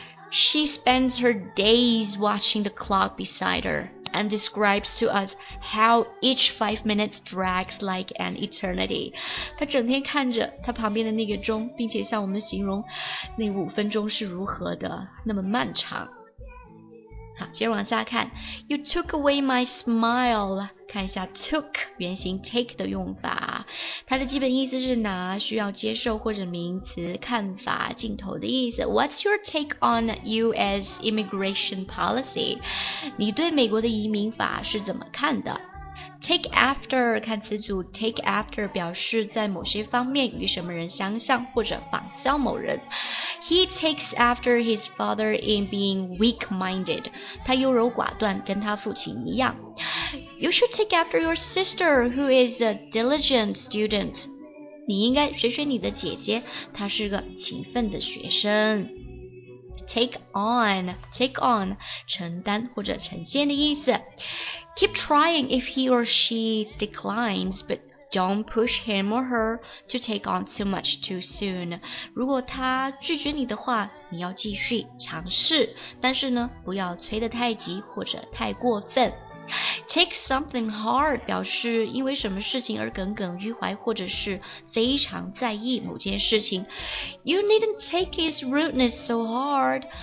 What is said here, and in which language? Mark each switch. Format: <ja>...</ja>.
<en>She spends her days watching the clock beside her and describes to us how each 5 minutes drags like an eternity.</en> <zh>她整天看着她旁边的那个钟，并且向我们形容那五分钟是如何的那么漫长。好，接着往下看。</zh> <en>You took away my smile.</en> <zh>看一下 took 原型 take 的用法。它的基本意思是拿，需要接受或者名词看法镜头的意思。</zh> <en>What's your take on US immigration policy?</en> <zh>你对美国的移民法是怎么看的？ Take after, 看词组 take after 表示在某些方面与什么人相像或者仿效某人。</zh> <en>He takes after his father in being weak-minded.</en> <zh>他优柔寡断，跟他父亲一样。</zh> <en>You should take after your sister, who is a diligent student.</en> <zh>你应该学学你的姐姐，她是个勤奋的学生。 Take on, 承担或者承接的意思。</zh> <en>Keep trying if he or she declines, but don't push him or her to take on too much too soon.</en> <zh>如果他拒绝你的话，你要继续尝试，但是呢，不要催得太急或者太过分。 Take something hard 表示因为什么事情而耿耿于怀，或者是非常在意某件事情。</zh> <en>You needn't take his rudeness so hard.</en>